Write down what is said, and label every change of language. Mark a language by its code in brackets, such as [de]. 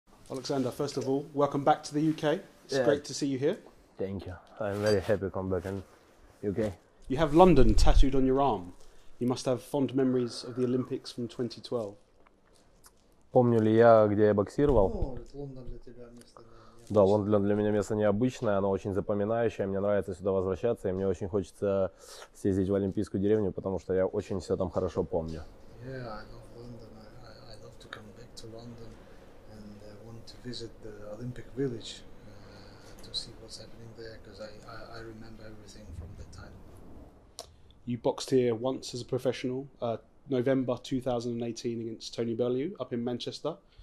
[en] Alexander, first of all, welcome back to the UK. It's great to see you here. Thank you. I'm very happy to come back in the UK. You have London tattooed on your arm. You must have fond memories of the Olympics from 2012. [ru] Помню ли я, где я боксировал? Да, Лондон для меня место необычное, оно очень запоминающее. Мне нравится сюда возвращаться, и мне очень хочется съездить в Олимпийскую деревню, потому что я очень все там хорошо помню. [en] Visit the Olympic Village to see what's happening there, because I remember everything from that time. You boxed here once as a professional, November 2018 against Tony Bellew up in Manchester.